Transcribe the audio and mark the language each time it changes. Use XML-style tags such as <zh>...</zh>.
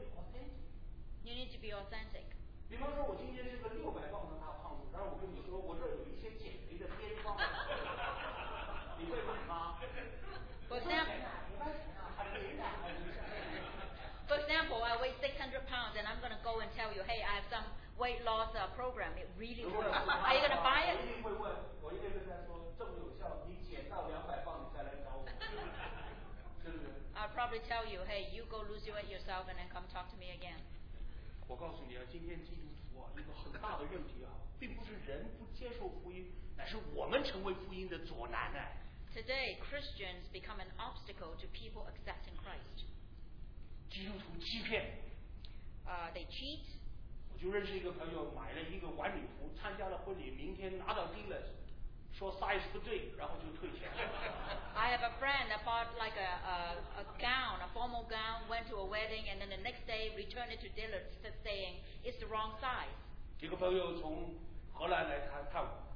<en>You need to be authentic. For example, I weigh 600 pounds and I'm going to go and tell you, hey, I have some weight loss program. It really works. Are you going to buy it?</en> <zh>我一定会跟他说，这么有效，你减到200磅，你再来找我，是不是？</zh> <en>I'll probably tell you, hey, you go lose your weight yourself and then come talk to me again.</en> <zh>我告诉你啊，今天基督徒啊，一个很大的问题啊，并不是人不接受福音，乃是我们成为福音的阻拦啊。</zh> <en>Today, Christians become an obstacle to people accepting Christ.</en> <zh>基督徒欺骗。</zh> <en>They cheat.</en> <zh>我就认识一个朋友，买了一个晚礼服，参加了婚礼，明天拿到</zh> <en>dealers，</en> <zh>说</zh> <en>size</en> <zh>不对，然后就退钱。</zh> <en>I have a friend that bought like a gown, a formal gown, went to a wedding, and then the next day returned it to dealers, saying it's the wrong size.</en> <zh>一个朋友从荷兰来探我。</zh>